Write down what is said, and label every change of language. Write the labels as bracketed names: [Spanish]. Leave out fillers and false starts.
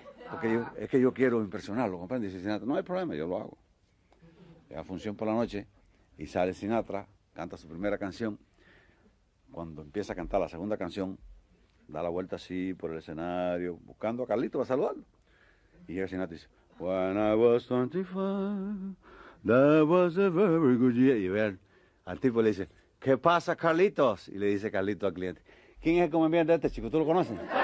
[Spanish] Porque yo, es que yo quiero impresionarlo, ¿comprende? Dice Sinatra, no hay problema, yo lo hago. Llega a función por la noche y sale Sinatra, canta su primera canción. Cuando empieza a cantar la segunda canción, da la vuelta así por el escenario, buscando a Carlito para saludarlo. Y llega Sinatra y dice, [English] when I was 25, that was a very good year. [Spanish] Y vean, al tipo le dice, ¿qué pasa, Carlitos? Y le dice Carlito al cliente, ¿quién es el comediante de este chico? ¿Tú lo conoces?